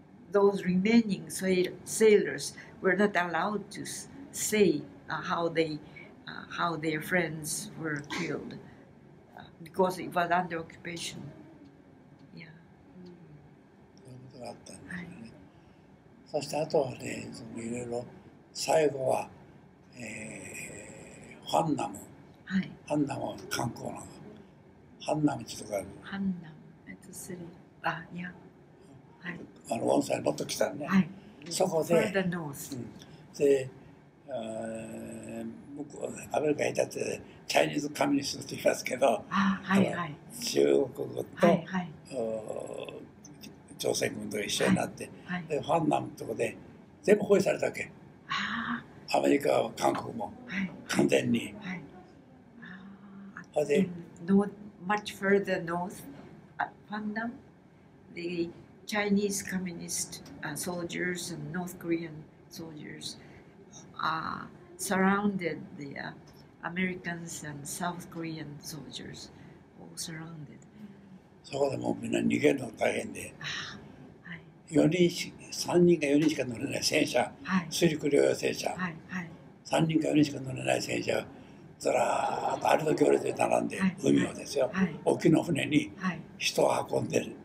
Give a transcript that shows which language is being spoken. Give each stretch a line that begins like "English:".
English: Those remaining sailors were not allowed to say how their friends were killed because it was under occupation. Yeah.
Japanese: そしてあとはね、そのいろいろ最後は、ファンナム。はい、ハンナムは観光なの。ハンナムってとこある。ハンナム、いや。ウォンサンにもっと来たね。はい、そこで、
English: Further north.
Japanese: うん、で、向こうね、アメリカ兵だって、チャイニーズカミニストって言いますけど、あはいはい、中国語と、はいはい、朝鮮軍と一緒になって、はいはい、でファンナムとかで全部包囲されたわけ。あアメリカも韓国も、はい、完全に、はい、あで
English: north, much further north ファンナム the Chinese communist soldiers and North Korean soldiers surrounded the Americans and South Korean soldiers all surrounded
Japanese: そこでもうみんな逃げるの大変で、はい、 3人か4人しか乗れない戦車、はい、水陸両用戦車、はいはい、3人か4人しか乗れない戦車ずらーっとあれと行列で並んで、はい、海をですよ、はい、沖の船に人を運んでる、